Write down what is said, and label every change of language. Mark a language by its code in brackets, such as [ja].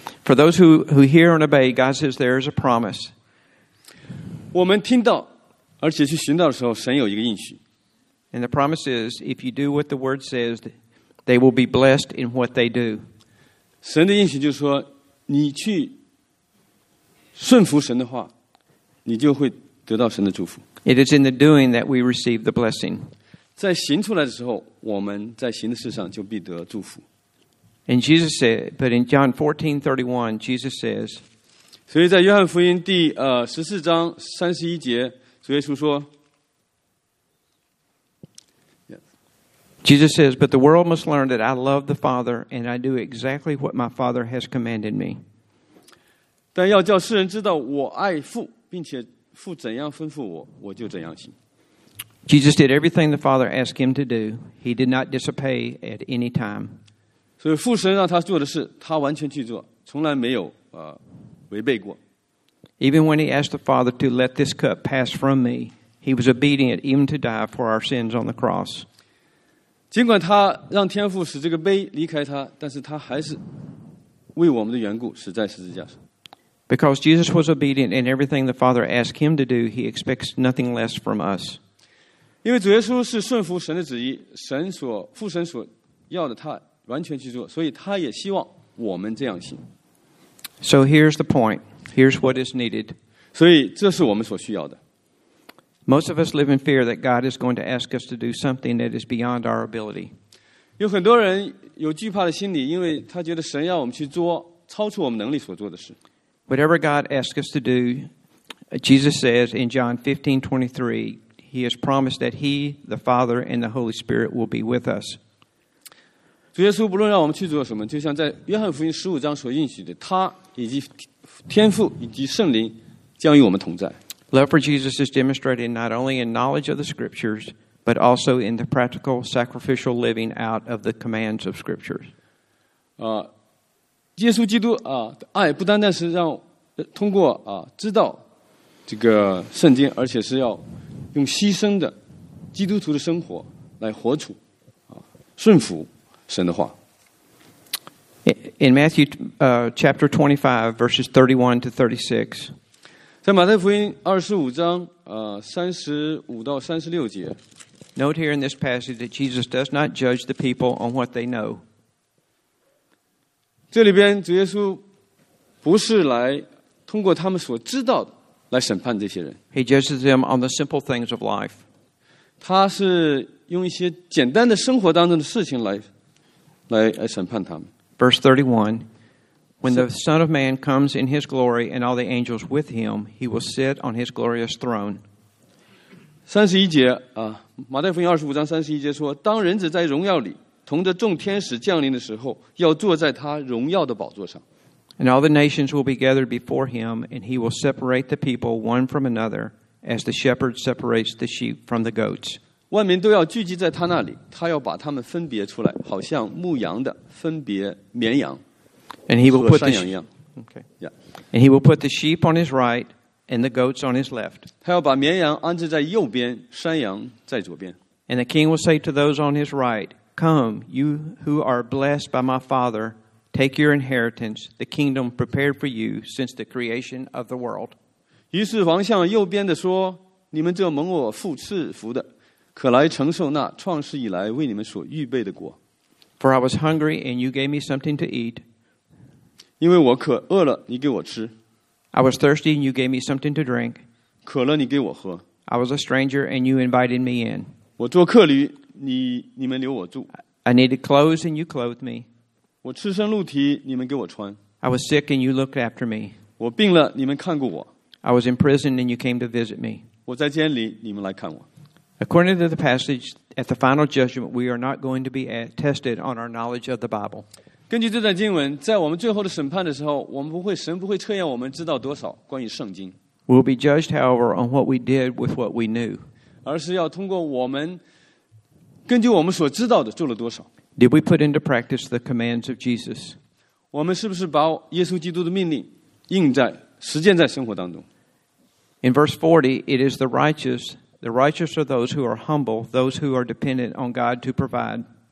[en] For those who hear and obey, God says there is a promise. [zh] 我们听到而且去寻道的时候，神有一个应许。 [en] And the promise is, if you do what the word says, they will be blessed in what they do. [zh] 神的应许就是说，你去顺服神的话，你就会得到神的祝福。 [en] It is in the doing that we receive the blessing. [zh] 在行出来的时候，我们在行的事上就必得祝福。 [en] And Jesus said, but in John 14:31, Jesus says, [zh] 所以在约翰福音第14:31，主耶稣说 [en] ，Jesus says, but the world must learn that I love the Father and I do exactly what my Father has commanded me. [zh] 但要叫世人知道我爱父，并且父怎样吩咐我，我就怎样行。 [en] Jesus did everything the Father asked him to do. He did not disobey at any time. [zh] 所以父神让他做的事，他完全去做，从来没有违背过。 [en] Even when he asked the Father to let this cup pass from me, he was obedient even to die for our sins on the cross. [zh] 尽管他让天父使这个杯离开他，但是他还是为我们的缘故死在十字架上。 [en] Because Jesus was obedient in everything the Father asked him to do, he expects nothing less from us. [zh] 因为主耶稣是顺服神的旨意，神所父神所要的，他完全去做，所以他也希望我们这样行。 [en] So here's the point. Here's what is needed. [zh] 所以这是我们所需要的。 [en] Most of us live in fear that God is going to ask us to do something that is beyond our ability. [zh] 有很多人有惧怕的心理，因为他觉得神要我们去做超出我们能力所做的事。 [en] Whatever God asks us to do, Jesus says in John 15:23. He has promised that He, the Father, and the Holy Spirit will be with us. [zh] 主耶稣不论让我们去做什么，就像在约翰福音十五章所应许的，他以及天父以及圣灵将与我们同在。 [en] Love for Jesus is demonstrated not only in knowledge of the Scriptures, but also in the practical sacrificial living out of the commands of Scriptures. [zh] 耶稣基督的爱不单单是让通过知道这个圣经，而且是要用牺牲的基督徒的生活来活出顺服神的话。 [en] In Matthew chapter 25, verses 31-36, [zh] 在马太福音25:35-36, [en] note here in this passage that Jesus does not judge the people on what they know. [zh] 这里边主耶稣不是来通过他们所知道的来审判这些人。 [en] He judges them on the simple things of life. [zh] 他是用一些简单的生活当中的事情来审判他们。 [en] Verse 31, when the Son of Man comes in His glory and all the angels with Him, He will sit on His glorious throne. [zh] 31节马太福音25:31说，当人子在荣耀里同着众天使降临的时候，要坐在他荣耀的宝座上。 [en] And all the nations will be gathered before him, and he will separate the people one from another, as the shepherd separates the sheep from the goats. [zh] 万民都要聚集在他那里，他要把他们分别出来，好像牧羊的分别绵羊。 [en] And he will put the sheep. Okay. Yeah. And he will put the sheep on his right and the goats on his left. [zh] 他要把绵羊安置在右边，山羊在左边。 [en] And the king will say to those on his right, "Come, you who are blessed by my father, take your inheritance, the kingdom prepared for you since the creation of the world." [zh] 于是王向右边的说，你们这蒙我父赐福的，可来承受那创世以来为你们所预备的果。 [en] For I was hungry and you gave me something to eat. [zh] 因为我渴饿了，你给我吃。 [en] I was thirsty and you gave me something to drink. [zh] 渴了，你给我喝。 [en] I was a stranger and you invited me in. [zh] 我做客旅，你们留我住。 [en] I needed clothes and you clothed me. [zh] 我赤身露体，你们给我穿。 [en] I was sick and you looked after me. [zh] 我病了，你们看过我。 [en] I was in prison and you came to visit me. [zh] 我在监里，你们来看我。 [en] According to the passage, at the final judgment, we are not going to be tested on our knowledge of the Bible. [zh] 根据这段经文，在我们最后的审判的时候，神不会测验我们知道多少关于圣经。 [en] We'll be judged, however, on what we did with what we knew. [zh] 而是要通过我们根据我们所知道的做了多少。 [en] Did we put into practice the commands of Jesus? [zh] 我们是不是把耶稣基督的命令应在实践在生活当中？ [en] In verse 40, it is the righteous are those who are humble, those who are dependent on God to provide.